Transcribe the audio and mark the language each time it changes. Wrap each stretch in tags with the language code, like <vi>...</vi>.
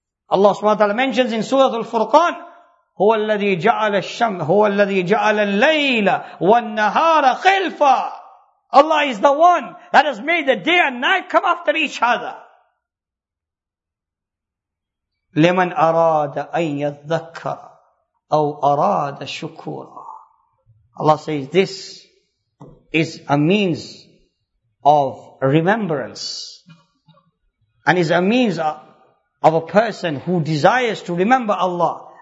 <en>Allah subhanahu wa ta'ala mentions in Surah Al-Furqan,</en> <ar>هُوَ الَّذِي جَعَلَ الشَّمْسَ هُوَ الَّذِي جَعَلَ اللَّيْلَ وَالنَّهَارَ خِلْفًا.</ar> <en>Allah is the one that has made the day and night come after each other.</en> <ar>لِمَنْ أَرَادَ أَنْ يَذَّكَّرَ أَوْ أَرَادَ شُكُورًا.</ar> <en>Allah says this is a means of remembrance, and is a means of a person who desires to remember Allah.</en>